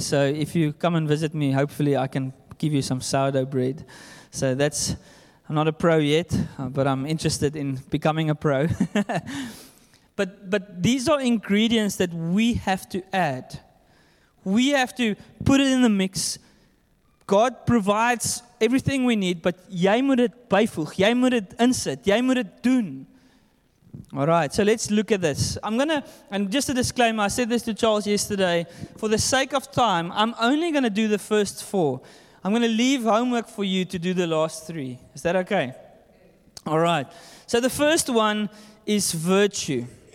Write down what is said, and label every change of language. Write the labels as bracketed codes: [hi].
[en] So if you come and visit me, hopefully I can give you some sourdough bread. So that's, I'm not a pro yet, but I'm interested in becoming a pro. but these are ingredients that we have to add. We have to put it in the mix. [af] God provides everything we need, but jy moet dit byvoeg, jy moet dit insit, jy moet dit doen. [en] All right, so let's look at this. And just a disclaimer, I said this to Charles yesterday, for the sake of time, I'm only going to do the first four. I'm going to leave homework for you to do the last three. Is that okay? All right. So the first one is virtue.